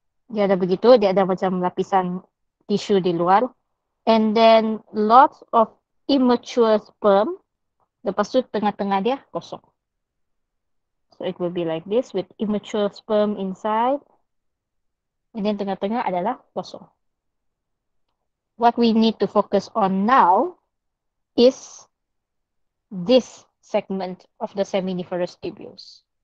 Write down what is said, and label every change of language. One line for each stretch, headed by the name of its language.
Malay: Dia ada begitu, dia ada macam lapisan tisu di luar.
English: And then lots of immature sperm.
Malay: Lepas tu tengah-tengah dia kosong.
English: So it will be like this with immature sperm inside. And then
Malay: tengah-tengah adalah kosong.
English: What we need to focus on now is this segment of the seminiferous tubules.